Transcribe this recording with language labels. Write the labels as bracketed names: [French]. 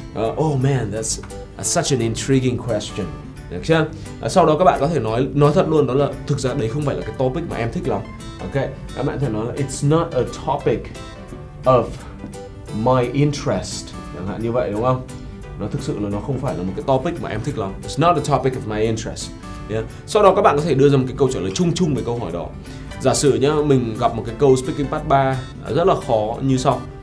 [English] Oh man, that's such an intriguing question. [Vietnamese] Được chưa? Sau đó các bạn có thể nói thật luôn, đó là thực ra đấy không phải là cái topic mà em thích lắm. Ok, các bạn có thể nói là [English] it's not a topic of my interest, [Vietnamese] chẳng hạn như vậy, đúng không? Nó thực sự là nó không phải là một cái topic mà em thích lắm. [English] It's not a topic of my interest, yeah. [Vietnamese] Sau đó các bạn có thể đưa ra một cái câu trả lời chung chung về câu hỏi đó. Giả sử nhá, mình gặp một cái câu speaking part 3 rất là khó như sau.